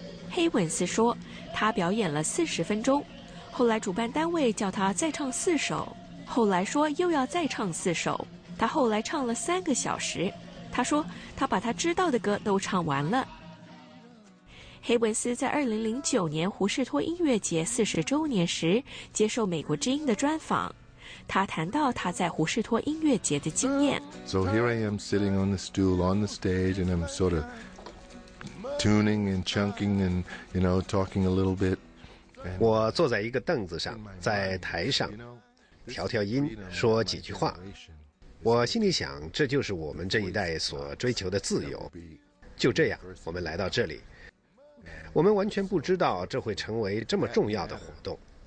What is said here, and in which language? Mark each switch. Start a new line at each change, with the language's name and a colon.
Chinese: 黑文斯说，他表演了40分钟，后来主办单位叫他再唱4首，后来说又要再唱4首，他后来唱了3个小时，他说他把他知道的歌都唱完了。黑文斯在2009年胡士托音乐节40周年时接受美国之音的专访，他谈到他在胡士托音乐节的经验。
English: So here I am sitting on the stool on the stage and I'm sort of tuning and chunking and you know talking a little bit。
Chinese: 我坐在一个凳子上，在台上调调音，说几句话。我心里想，这就是我们这一代所追求的自由。就这样，我们来到这里，我们完全不知道这会成为这么重要的活动。